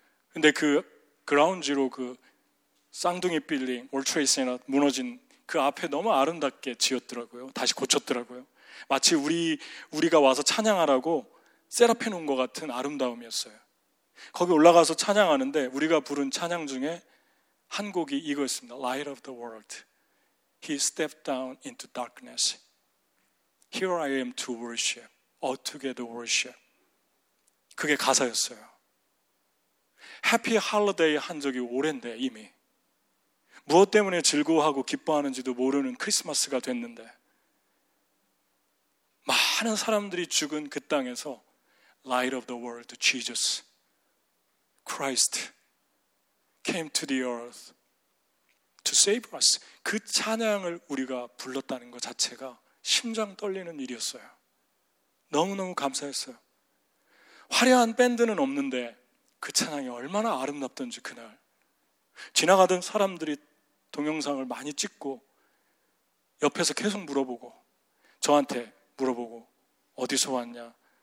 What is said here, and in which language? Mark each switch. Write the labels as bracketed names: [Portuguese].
[Korean] 근데 그 그라운지로 그 쌍둥이 빌딩 월트레이드 센터 무너진 그 앞에 너무 아름답게 지었더라고요. 다시 고쳤더라고요. 마치 우리가 와서 찬양하라고 세라페 놓은 것 같은 아름다움이었어요. 거기 올라가서 찬양하는데 우리가 부른 찬양 중에 한 곡이 이거였습니다. [English] Light of the world. He stepped down into darkness. Here I am to worship. Altogether worship. [Korean] 그게 가사였어요. [English] Happy holiday [Korean] 한 적이 오랜데 이미. 무엇 때문에 즐거워하고 기뻐하는지도 모르는 크리스마스가 됐는데 많은 사람들이 죽은 그 땅에서 [English] Light of the world, Jesus Christ came to the earth to save us. [Korean] 그 찬양을 우리가 불렀다는 것 자체가 심장 떨리는 일이었어요. 너무너무 감사했어요. 화려한 밴드는 없는데 그 찬양이 얼마나 아름답던지 그날. 지나가던 사람들이 동영상을 많이 찍고 옆에서 계속 물어보고 저한테 물어보고 어디서 왔냐?